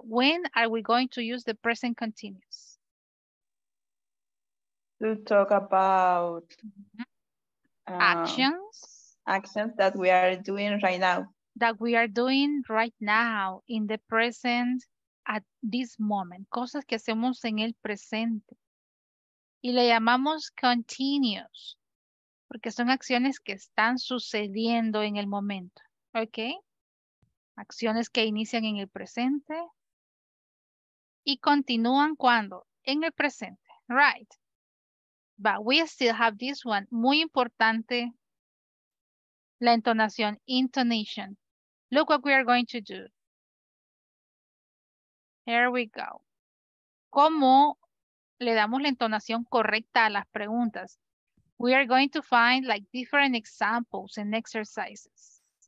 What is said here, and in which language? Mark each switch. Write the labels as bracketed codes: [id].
[en] When are we going to use the present continuous? To talk about actions. Actions that we are doing right now. That we are doing right now, in the present, at this moment. [es] Cosas que hacemos en el presente. Y le llamamos continuous, porque son acciones que están sucediendo en el momento. ¿Ok? Acciones que inician en el presente y continúan cuando, en el presente. [en] Right. But we still have this one. Muy importante, la entonación, intonation. Look what we are going to do. Here we go. [es] ¿Cómo le damos la entonación correcta a las preguntas? [en] We are going to find like different examples and exercises.